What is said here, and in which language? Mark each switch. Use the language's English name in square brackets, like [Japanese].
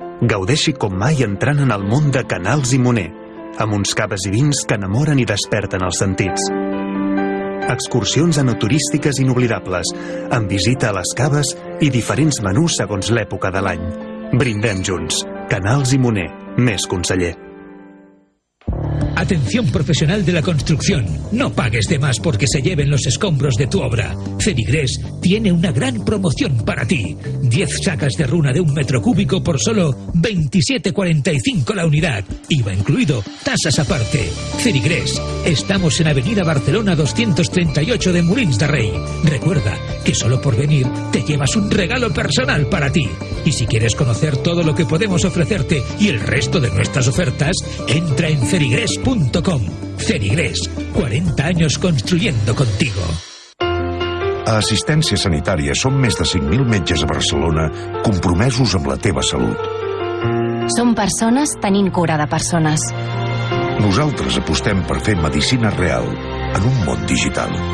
[Catalan] Gaudeixi com mai entrant en el món de Canals i Moner, amb uns caves i vins que enamoren i desperten els sentits. Excursions enoturístiques inoblidables, amb visita a les caves i diferents menús segons l'època de l'any. Brindem junts. Canals i Moner, més conseller. [Spanish] Atención profesional de la construcción. No pagues de más porque se lleven los escombros de tu obra. Cenigres tiene una gran promoción para ti. 10 sacas de runa de un metro cúbico por solo 27,45 la unidad. IVA incluido, tasas aparte. Cenigres, estamos en Avenida Barcelona 238 de Molins de Rey. Recuerda que solo por venir te llevas un regalo personal para ti. Y si quieres conocer todo lo que podemos ofrecerte y el resto de nuestras ofertas, entra en cenigres.com. Cenigres, 40 años construyendo contigo. [Catalan] A Assistència Sanitària som més de 5.000 metges a Barcelona compromesos amb la teva salut. Som persones tenint cura de persones. Nosaltres apostem per fer medicina real en un món digital.